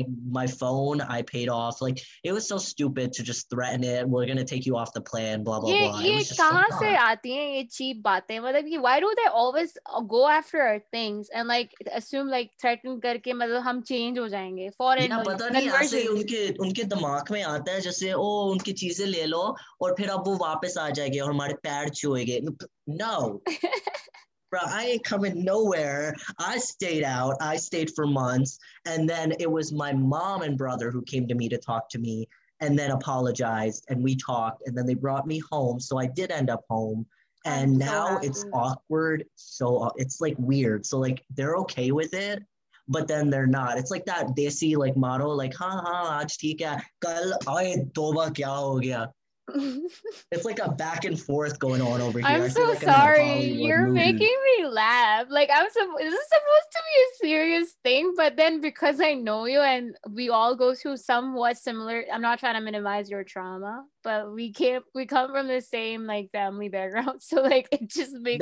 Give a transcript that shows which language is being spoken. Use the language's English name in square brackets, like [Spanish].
[English] My phone I paid off. Like, it was so stupid to just threaten it. We're going to take you off the plan, blah, blah, blah. Why do they always go after our things and like assume like threaten [Hindi] karke matlab hum change ho jayenge [English] foreign [Hindi] उनके दिमाग में आता है जैसे ओह उनकी चीज़े ले लो और फिर अब वो वापस आ जायेंगे और हमारे पैर छुएंगे। [English] No bro, I ain't coming nowhere. I stayed out, I stayed for months, and then it was my mom and brother who came to me to talk to me and then apologized, and we talked, and then they brought me home, so I did end up home. And I'm now so it's awkward, so it's like weird. So like they're okay with it, but then they're not. It's like that desi like motto, like [Hindi] हा हा, आज ठीक है, कल आये तोबा क्या हो गया। [English] It's like a back and forth going on over here. I'm so like sorry, you're movie. Making me laugh. Like I'm so, is this supposed to be a serious thing? But then because I know you and we all go through somewhat similar, I'm not trying to minimize your trauma, but we come from the same like family background, so like it just makes